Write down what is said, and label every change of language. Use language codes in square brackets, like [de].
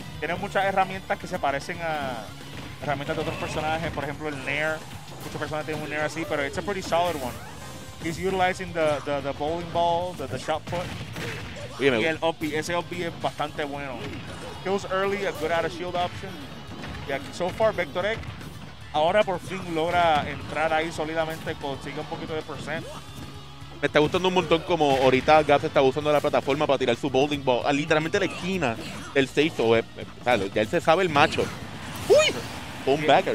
[es] Tiene muchas herramientas que se parecen a herramientas de otros personajes, por ejemplo el Nair. Muchas personas tienen un Nair así, pero [en] it's a pretty solid one. He's utilizing the bowling ball, the shot put. [es] Oye, y el OP, ese OP es bastante bueno. [en] Kills early, a good out of shield option. Yeah, so far, [es] Vector X ahora por fin logra entrar ahí sólidamente, consigue un poquito de percent. Me está gustando un montón como ahorita Gaps está usando la plataforma para tirar su bowling ball a literalmente la esquina del safe. Ya él se sabe el macho. ¡Uy! Boom backer.